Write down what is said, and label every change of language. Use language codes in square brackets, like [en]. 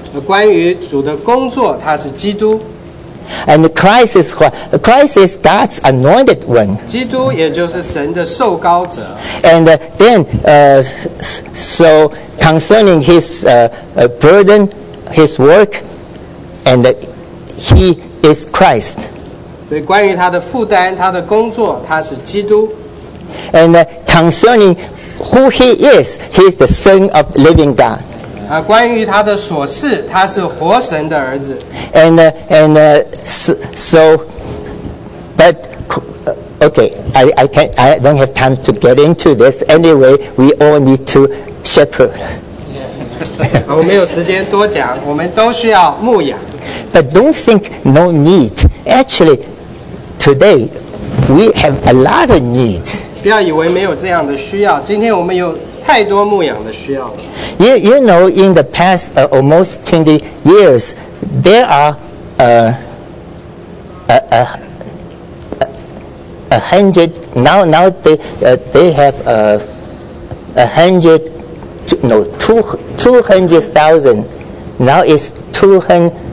[zh] 关于主的工作，他是基督。 [en] And Christ is what? Christ is God's anointed one. [zh] 基督也就是神的受膏者。 [en] And then, so concerning his burden, his work, and he is Christ. [zh] 所以关于他的负担，他的工作，他是基督。 [en] And concerning who he is, he is the Son of the Living God. [zh] 关于他的所事，他是活神的儿子。 [en] And so, but okay, I don't have time to get into this. Anyway, we all need to shepherd. [zh] 我没有时间多讲，我们都需要牧养。 [en] But don't think no need. Actually. Today, we have a lot of needs. [zh] 不要以为没有这样的需要。今天我们有太多牧养的需要。 [en] You know, in the past almost 20 years, there are a hundred. Now they have a hundred. No, 200,000. Now it's 200,000.